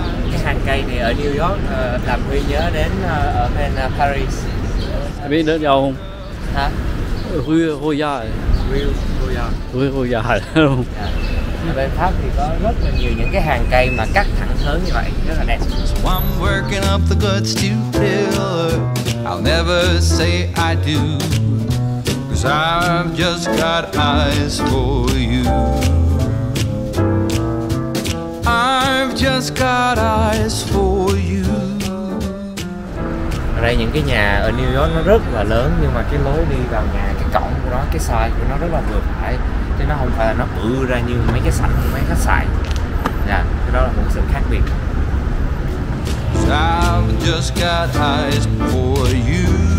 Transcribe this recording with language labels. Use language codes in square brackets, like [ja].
[vi] Cái hàng cây này ở New York làm Huy nhớ đến ở bên Paris. Em biết đến đâu không? Hả? Rue Royale. Ở bên Pháp thì có rất là nhiều những cái hàng cây mà cắt thẳng hớn như vậy, rất là đẹp. [en] So I'm working up the guts to fill her. I'll never say I do, 'cause I've just got eyes for you. I've just got eyes for you. [vi] Ở đây những cái nhà ở New York nó rất là lớn, nhưng mà cái lối đi vào nhà, cái cổng của nó, cái size của nó rất là vừa phải, chứ nó không phải là nó bự ra như mấy cái sảnh, mấy khách sạn. Cái đó là một sự khác biệt. [en] I've just got eyes for you.